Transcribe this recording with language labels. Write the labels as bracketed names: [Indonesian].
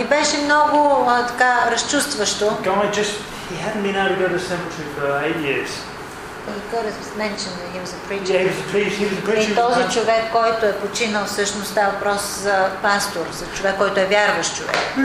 [Bulgarian] И беше много така разчувстващо. [English] He hadn't been able to go to the cemetery for 8 years. He could have mentioned that he was a preacher. Yeah, he was a preacher. [Bulgarian] И този човек, който е починал, всъщност става въпрос за пастор, за човек, който е вярващ човек.